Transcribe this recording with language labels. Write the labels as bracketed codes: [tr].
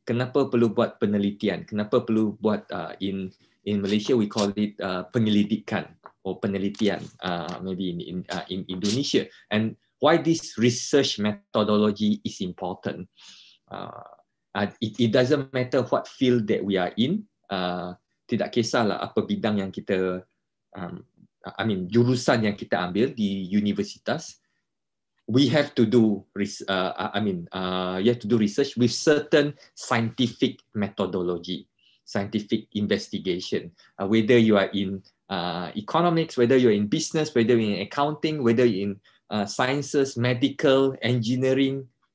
[ms] Kenapa perlu buat penelitian? Kenapa perlu buat, [en] in Malaysia, we call it penyelidikan or penelitian, maybe in Indonesia. And why this research methodology is important? It doesn't matter what field that we are in. [ms] Tidak kisahlah apa bidang yang kita, jurusan yang kita ambil di universitas. [en] We have to do you have to do research with certain scientific methodology, scientific investigation. Whether you are in economics, whether you are in business, whether you're in accounting, whether you're in sciences, medical, engineering.